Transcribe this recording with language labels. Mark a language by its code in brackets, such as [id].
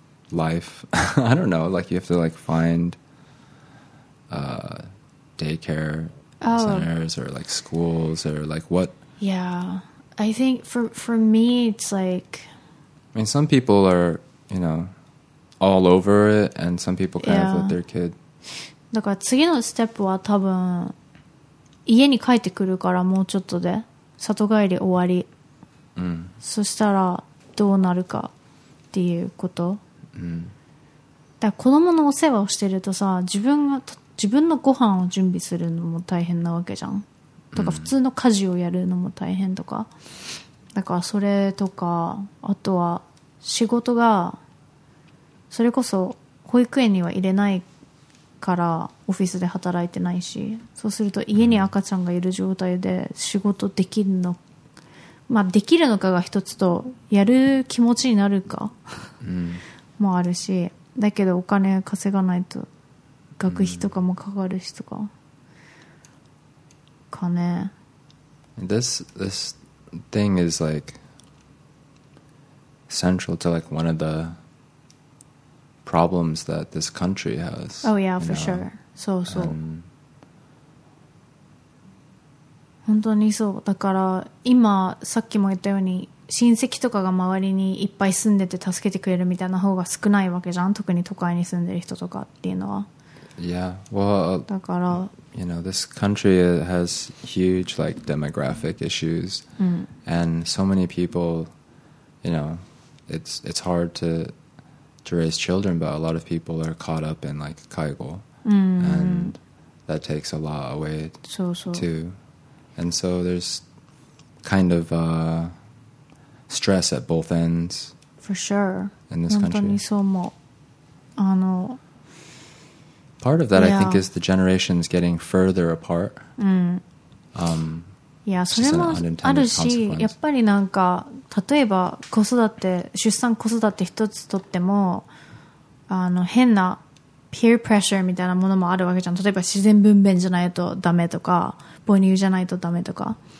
[en] life I don't know like you have to like find daycare centers or like schools or like what yeah I think for me it's like I mean some people are you know all over it and some people kind of let their kid [ja] だから次のステップは多分家に帰ってくるからもうちょっとで里帰り終わり、そしたらどうなるかっていうこと、だから子供のお世話をしてるとさ自分のご飯を準備するのも大変なわけじゃんとか普通の家事をやるのも大変とかだからそれとかあとは仕事がそれこそ保育園には入れないからオフィスで働いてないしそうすると家に赤ちゃんがいる状態で仕事できるのまあできるのかが一つとやる気持ちになるかもあるしだけどお金稼がないと学費とかもかかるしとかかね [en] This thing is like central to like one of theproblems that this country has. Oh yeah, for sure. So so. [ja] 本当にそう。だから今さっきも言ったように親戚とかが周りにいっぱい住んでて助けてくれるみたいな方が少ないわけじゃん。特に都会に住んでる人とかっていうのは。 [en] Yeah. Well. [ja] だから。 [en] You know, this country has huge like demographic issues, and so many people. You know, it's hard to. To raise children, but a lot of people are caught up in like 介護 and that takes a lot away too. And so there's kind of stress at both ends. For sure. In this country. [ja] 本当にそう思う。あの、 [en] Part of that, I think, is the generations getting further apart. [ja] それもあるし、やっぱりなんか例えば子育て出産子育て一つとってもあの変な peer pressure みたいなものもあるわけじゃん。例えば自然分娩じゃないとダメとか母乳じゃないとダメとか。